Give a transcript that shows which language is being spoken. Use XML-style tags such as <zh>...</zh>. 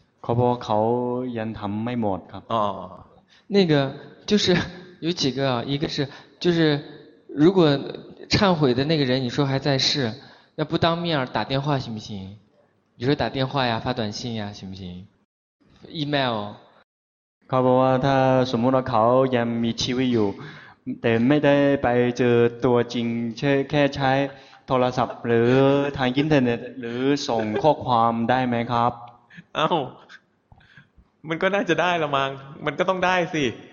<th>เขาบอกเขายังทำไม่หมดครับ</th> <zh>อ๋อ那个就是有几个一个是就是如果忏悔的那个人你说还在世要不当面打电话行不行你说打电话呀发短信呀行不行 email</zh> <th>เขาบอกว่าถ้าสมมติว่าเขายังมีชีวิตอยู่แต่ไม่ได้ไปเจอตัวจริงแค่ใช้โทรศัพท์หรือทางอินเทอร์เน็ตหรือส่งข้อความได้ไหมครับ เอ้ามันก็น่าจะได้ละมั้งมันก็ต้องได้สิ</th>